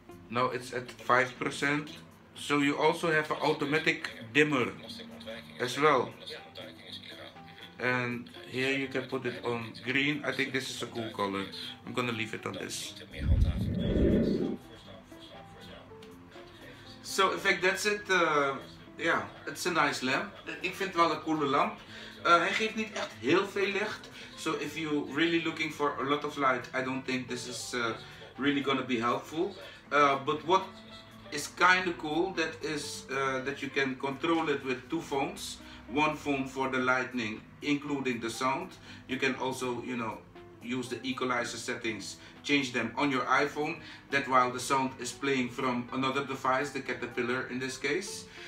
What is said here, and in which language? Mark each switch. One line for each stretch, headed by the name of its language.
English: Now it's at 5%. So you also have an automatic dimmer as well. And here you can put it on green. I think this is a cool color. I'm going to leave it on this. So in fact that's it, it's a nice lamp.
Dutch: Ik vind het wel een coole lamp. Hij geeft niet echt heel veel licht.
English: So if you're really looking for a lot of light, I don't think this is really gonna be helpful. But what is kind of cool, that is that you can control it with two phones. One phone for the lightning, including the sound. You can also, you know, use the equalizer settings, change them on your iPhone, that while the sound is playing from another device, the Caterpillar in this case.